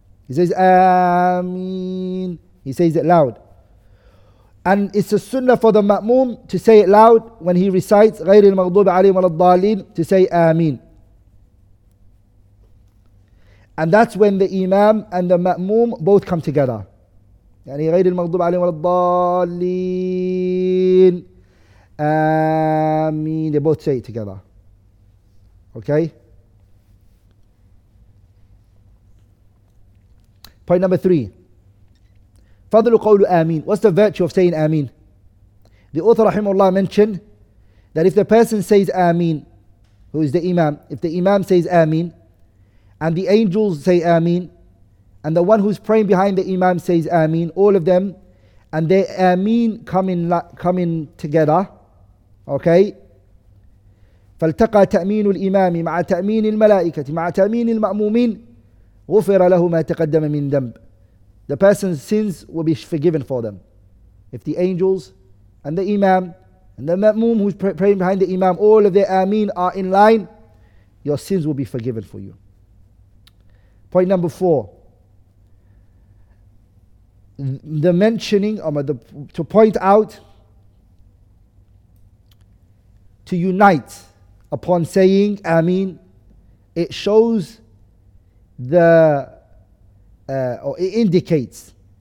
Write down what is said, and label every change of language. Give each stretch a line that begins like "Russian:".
English: He says Ameen. He says it loud. And it's a sunnah for the ma'moom to say it loud when he recites
Arabic: غَيْرِ الْمَغْضُوبِ عَلَيْهِمْ وَلَا الضَّالِينَ,
English: to say Ameen. And that's when the imam and the ma'moom both come together.
Arabic: يعني غير المغضوب عليهم ولا الضالين.
English: آمين. They both say it together. Okay? Point number three.
Arabic: فضل قول آمين.
English: What's the virtue of saying آمين? The author rahimahullah mentioned that if the person says آمين, who is the imam, if the imam says آمين, and the angels say Ameen, and the one who's praying behind the imam says Ameen, all of them, and their Ameen coming together, okay?
Arabic: فالتقى تأمين الإمام مع تأمين الملائكة مع تأمين المأمومين غفر له ما تقدم من ذنب.
English: The person's sins will be forgiven for them. If the angels and the imam and the ma'moom who's praying behind the imam, all of their Ameen are in line, your sins will be forgiven for you. Point number four, the mentioning, to point out, to unite upon saying Ameen, it shows it indicates